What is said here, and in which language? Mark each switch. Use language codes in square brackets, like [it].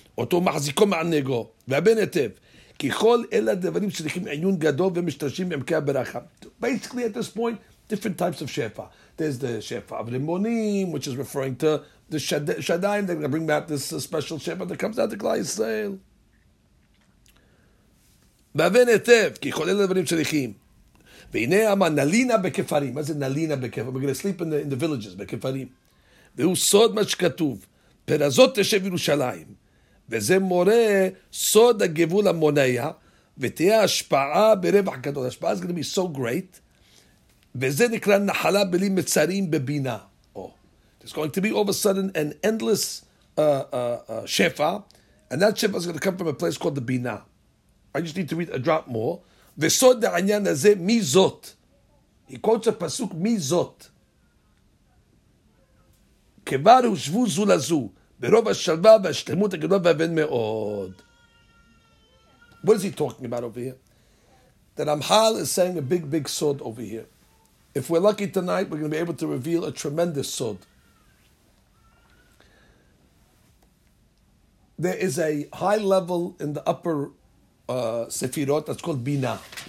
[he] אותו מחזיקו מענגו, והבן היטב, כי כל אלה דברים צריכים עיון גדול ומשתרשים בעמקי הברכה. [en] Basically, at this point, different types of shefa. There's the shefa of limonim, which is referring to the shadayim. They're going to bring out this special shefa that comes out the Klai Yisrael. [he] והבן היטב, כי כל אלה דברים צריכים. והנה אמר, נלינה בכפרים. מה זה נלינה בכפרים? [en] We're going to sleep in the villages, בכפרים. [he] והוא סוד מה שכתוב, פרזות תשב ירושלים. וזה מורה סוד הגבול המונעי, ותהיה השפעה ברווח גדול. השפעה is going to be so great, וזה נקרא נחלה בלי מצרים בבינה. [en] Oh, there's going to be all of a sudden an endless שפע, and that שפע is going to come from a place called the בינה. I just need to read a drop more. וסוד העניין הזה, מי זאת? He quotes a פסוק, מי זאת? [he] כבר הושבו זו לזו, ברוב השלווה והשלמות הגדולה והבן מאוד. [en] What is he talking about over here? That Amhal is saying a big, big sod over here. If we're lucky tonight, we're going to be able to reveal a tremendous sod. There is a high level in the upper sefirot that's called Bina.